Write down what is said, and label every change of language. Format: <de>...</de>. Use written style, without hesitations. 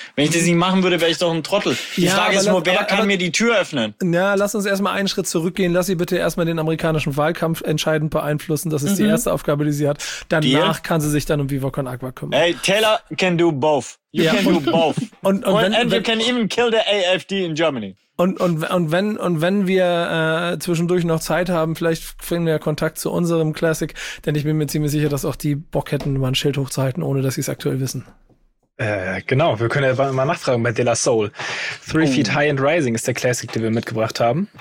<de>Wenn ich das nicht machen würde, wäre ich doch ein Trottel. Die Frage ist nur, wer kann mir die Tür öffnen? Ja, lass uns erstmal einen Schritt zurückgehen. Lass sie bitte erstmal den amerikanischen Wahlkampf entscheidend beeinflussen. Das ist die erste Aufgabe, die sie hat. Danach kann sie sich dann um Viva con Aqua kümmern.</de> <en>Hey, Taylor can do both. You can do both. And you can even kill the AfD in Germany.</en> <de>Und wenn wir zwischendurch noch Zeit haben, vielleicht finden wir Kontakt zu unserem Classic, denn ich bin mir ziemlich sicher, dass auch die Bock hätten, mal ein Schild hochzuhalten, ohne dass sie es aktuell wissen. Genau, wir können ja mal nachfragen bei De La Soul. Three Feet High and Rising ist der Classic, den wir mitgebracht haben.</de>